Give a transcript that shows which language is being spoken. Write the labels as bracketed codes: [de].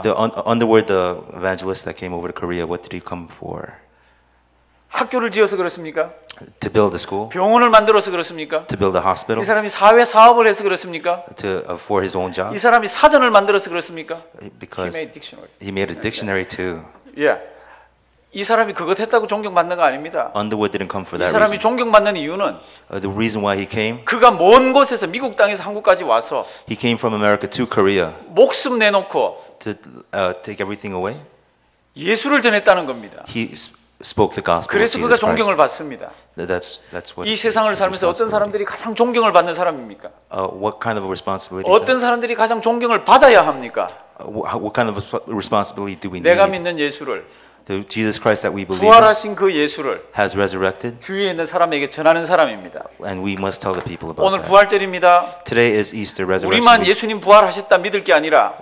[en] The underworld, the evangelist that came over to Korea, what did he come for? [ko] 학교를 지어서 그렇습니까? [en] To build a school. [ko] 병원을 만들어서 그렇습니까? [en] To build a hospital. [ko] 이 사람이 사회 사업을 해서 그렇습니까? [en] To for his own job. [ko] 이 사람이 사전을 만들어서 그렇습니까? [en] Because he made a dictionary too. Yeah. [ko] 이 사람이 그것 했다고 존경받는 거 아닙니다. [en] Underwood didn't come for that. [ko] 이 사람이 [en] reason. [ko] 존경받는 이유는 [en] the reason why he came. [ko] 그가 먼 곳에서 미국 땅에서 한국까지 와서 [en] he came from America to Korea. [ko] 목숨 내놓고 [en] to take everything away. [ko] 예수를 전했다는 겁니다. [en] He spoke the gospel. [ko] 그래서 그가 존경을 받습니다. [en] That's what [ko] 이 세상을 살면서 어떤 사람들이 가장 존경을 받는 사람입니까? [en] What kind of a responsibility? [ko] 어떤 사람들이 가장 존경을 받아야 합니까? [en] What kind of responsibility do we need? [ko] 내가 믿는 예수를 [en] The Jesus Christ that we believe [ko] 부활하신 그 예수를 [en] has resurrected. [ko] 주위에 있는 사람에게 전하는 사람입니다. [en] And we must tell the people about [ko] 오늘 부활절입니다. [en] Today is Easter resurrection. [ko] 우리만 예수님 부활하셨다 믿을 게 아니라